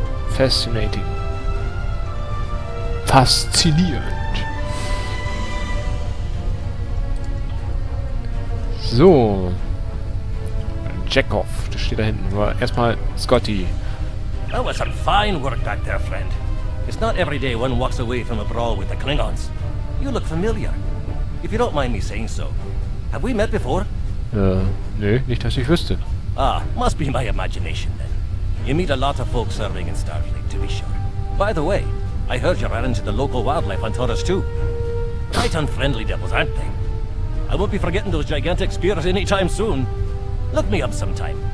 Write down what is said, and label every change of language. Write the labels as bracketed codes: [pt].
[en] Fascinating. [de] Faszinierend. So. Jackoff, der steht da hinten. Aber erstmal Scotty. [en] That was some fine work back there, friend. It's not every day one walks away from a brawl with the Klingons. You look familiar. If you don't mind me saying so, have we met before? [de] Nee, nicht, dass ich wüsste. [en] Ah, must be my imagination then. You meet a lot of folks serving in Starfleet, to be sure. By the way, I heard you ran into the local wildlife on Taurus too. Right unfriendly devils, aren't they? I won't be forgetting those gigantic spears anytime soon. Look me up sometime.